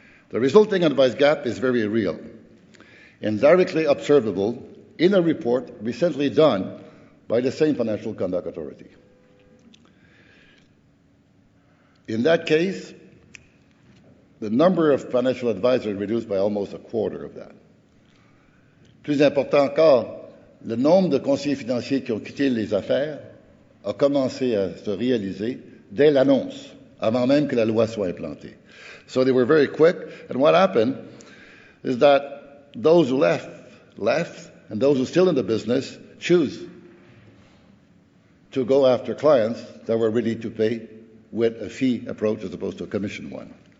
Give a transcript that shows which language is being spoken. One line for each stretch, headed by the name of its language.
English: The resulting advice gap is very real and directly observable in a report recently done by the same Financial Conduct Authority. In that case, the number of financial advisors reduced by almost a quarter of that.
French: Plus important encore, le nombre de conseillers financiers qui ont quitté les affaires a commencé à se réaliser dès l'annonce, avant même que la loi soit implantée.
English: So they were very quick, and what happened is that those who left, and those who are still in the business choose to go after clients that were ready to pay with a fee approach as opposed to a commission one.